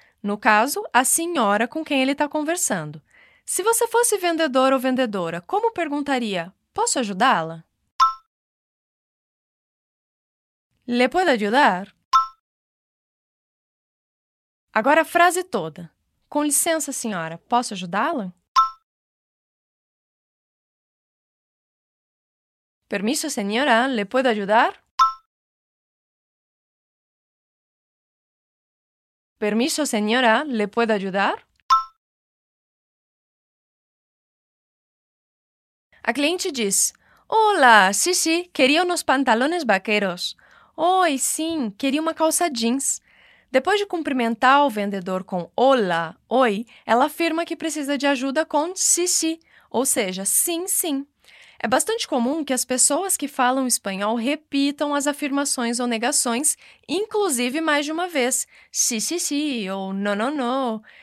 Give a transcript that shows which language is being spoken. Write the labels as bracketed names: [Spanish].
[Portuguese] No caso, a senhora com quem ele está conversando. Se você fosse vendedor ou vendedora, como perguntaria? Posso ajudá-la? [Spanish] Le puedo ayudar? [Portuguese] Agora a frase toda. Com licença, senhora, posso ajudá-la? [Spanish] Permiso, senhora, le puedo ayudar? Permiso, senhora, le puedo ayudar? [Portuguese] A cliente diz, [Spanish] hola, sí, sí, quería unos pantalones vaqueros. [Portuguese] Oi, sim, queria uma calça jeans. Depois de cumprimentar o vendedor com hola, oi, ela afirma que precisa de ajuda com [Spanish] sí, sí, [Portuguese] ou seja, sim, sim. É bastante comum que as pessoas que falam espanhol repitam as afirmações ou negações, inclusive mais de uma vez, [Spanish] sí, sí, sí, [Portuguese] ou [Spanish] no, no, no.